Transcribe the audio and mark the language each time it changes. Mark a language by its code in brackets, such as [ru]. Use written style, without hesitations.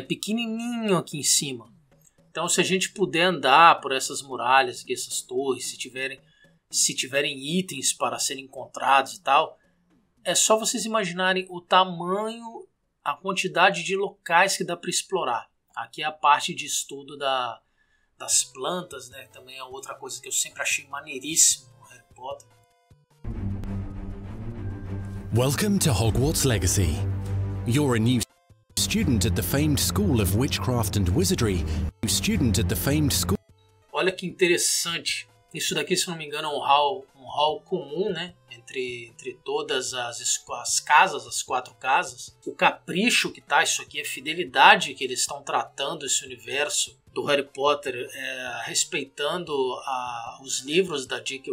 [pt] Pequenininho aqui em cima. Então se a gente puder andar por essas muralhas aqui, essas torres, se tiverem itens para serem encontrados e tal, é só vocês imaginarem o tamanho, a quantidade de locais que dá para explorar. Aqui é a parte de estudo das plantas, né? Também é outra coisa que eu sempre achei maneiríssimo no Harry Potter. [en] Welcome to Hogwarts Legacy. You're a new student at the famed School of Witchcraft and Wizardry. Student at the famed school. [pt] Olha que interessante. Isso daqui, se não me engano, é um hall comum, né? Entre todas as casas, as quatro casas. O capricho que tá isso aqui, a fidelidade que eles estão tratando esse universo do Harry Potter, respeitando os livros da J.K.